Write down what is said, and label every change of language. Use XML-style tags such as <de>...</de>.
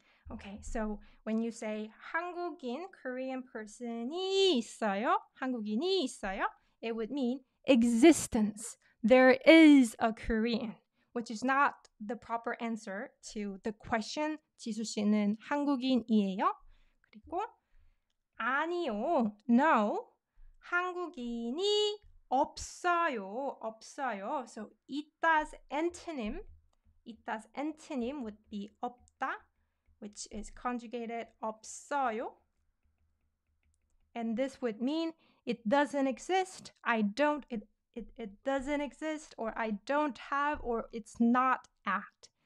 <en>Okay, so when you say 한국인, Korean person이 있어요,</en> <ko>한국인이 있어요,</ko> <en>it would mean existence. There is a Korean, which is not the proper answer to the question,</en> <ko>지수 씨는 한국인이에요? 그리고 아니요, no. 한국인이 없어요. 없어요.</ko> <en>So itta's antonym, itta's antonym would be 없다, which is conjugated 없어요. And this would mean it doesn't exist. I don't. It doesn't exist, or I don't have, or it's not at.</en>